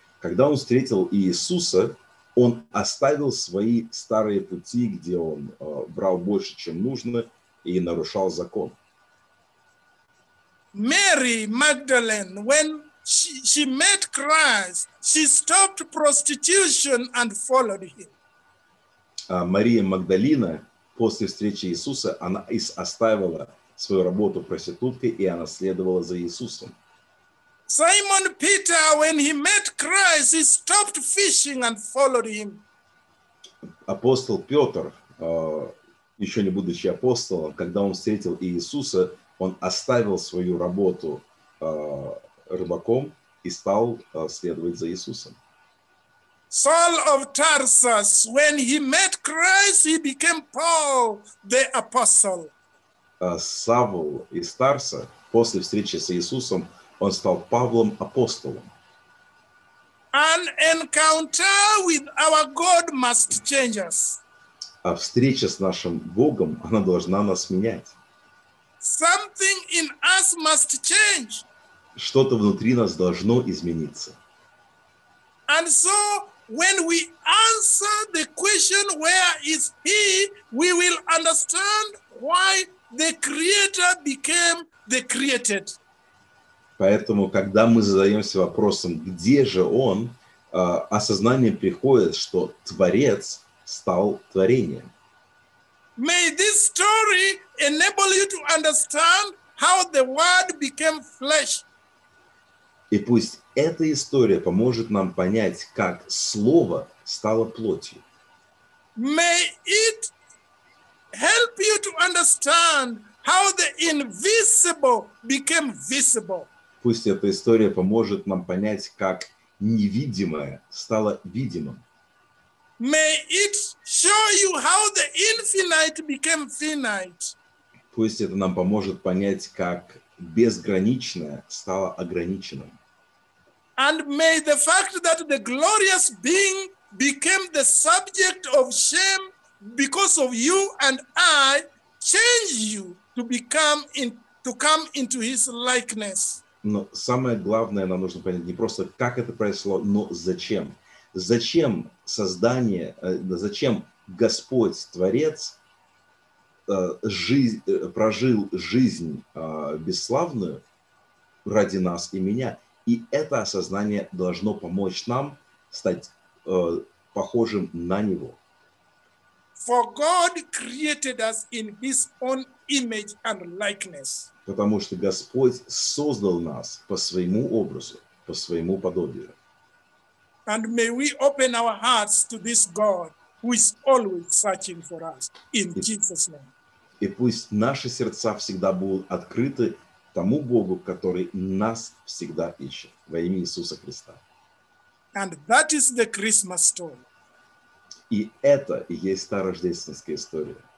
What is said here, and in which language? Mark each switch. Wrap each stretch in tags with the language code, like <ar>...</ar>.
<ru>Когда он встретил Иисуса, он оставил свои старые пути, где он брал больше, чем нужно, и нарушал закон.</ru> <en>Мэри Магдалин, when she met Christ, she stopped prostitution and followed him.</en> <ru>А Мария Магдалина после встречи Иисуса она оставила свою работу проституткой и она следовала за Иисусом.</ru> <en>Simon Peter, when he met Christ, he stopped fishing and followed him.</en> <ru>Апостол Петр, еще не будучи апостолом, когда он встретил Иисуса, он оставил свою работу рыбаком и стал следовать за Иисусом.</ru> <en>Saul of Tarsus, when he met Christ, he became Paul, the apostle.</en> <ru>Савл из Тарса, после встречи с Иисусом, он стал Павлом апостолом.</ru> <en>An encounter with our God must change us.</en> <ru>А встреча с нашим Богом, она должна нас менять.</ru> <en>Something in us must change.</en> <ru>Что-то внутри нас должно измениться.</ru> <en>And so, when we answer the question, where is he, we will understand why the creator became the created.</en> <ru>Поэтому, когда мы задаемся вопросом, где же он, осознание приходит, что Творец стал творением.</ru> <en>May this story enable you to understand how the Word became flesh.</en> <ru>И пусть эта история поможет нам понять, как Слово стало плотью.</ru> <en>May it help you to understand how the invisible became visible.</en> <ru>Пусть эта история поможет нам понять, как невидимое стало видимым.</ru> <en>May it show you how the infinite became finite.</en> <ru>Пусть это нам поможет понять, как безграничное стало ограниченным.</ru> <en>And may the fact that the glorious being became the subject of shame because of you and I change you to become in, to come into his likeness.</en> <ru>Но самое главное, нам нужно понять не просто как это произошло, но зачем. Зачем создание, зачем Господь Творец прожил жизнь бесславную ради нас и меня. И это осознание должно помочь нам стать похожим на Него.</ru> <en>For God created us in His own image and likeness.</en> <ru>Потому что Господь создал нас по своему образу, по своему подобию.</ru> <en>And may we open our hearts to this God who is always searching for us in Jesus' name.</en> <ru>И пусть наши сердца всегда будут открыты тому Богу, который нас всегда ищет во имя Иисуса Христа.</ru> <en>And that is the Christmas story.</en> <ru>И это и есть та рождественская история.</ru>